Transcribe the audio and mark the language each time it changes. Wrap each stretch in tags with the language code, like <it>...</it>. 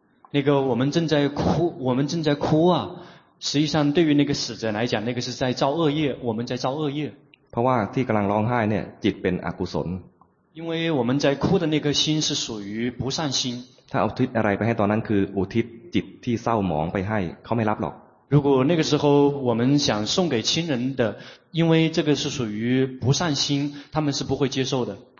<zh>那个我们正在哭我们正在哭啊实际上对于那个死者来讲那个是在造恶业我们在造恶业</zh> <th>เพราะว่าที่กำลังร้องไห้เนี่ยจิตเป็นอกุศล</th> <zh>因为我们在哭的那个心是属于不善心</zh> <th>ถ้าอุทิศอะไรไปให้ตอนนั้นคืออุทิศจิตที่เศร้าหมองไปให้เขาไม่รับหรอก</th> <zh>如果那个时候我们想送给亲人的因为这个是属于不善心他们是不会接受的</zh>